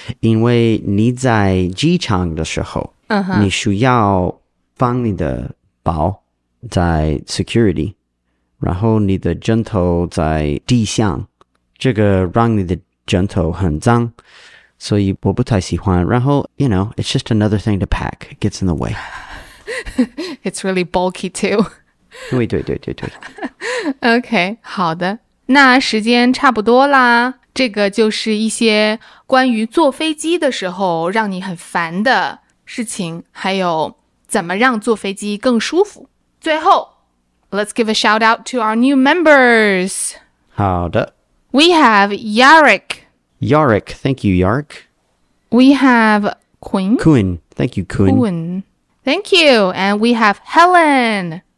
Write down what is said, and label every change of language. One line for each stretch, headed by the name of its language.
Chinese: 因为你在机场的时候，你需要放你的包在 security， 然后你的枕头在地上，这个让你的枕头很脏，所以我不太喜欢。然后
English: you know, it's just another thing to pack. It gets in the way. It's really bulky too.
Chinese: 对。 OK, 好的。那时间差不多啦。这个就是一些关于坐飞机的时候让你很烦的事情，还有怎么让坐飞机更舒服。最后
English: ,Let's give a shout out to our new members.
Chinese: 好的。
English: We have Yarick. Yarick, thank you, Yarick. We have Quinn. Quinn, thank you, Quinn. Quinn. Thank you. And we have Helen.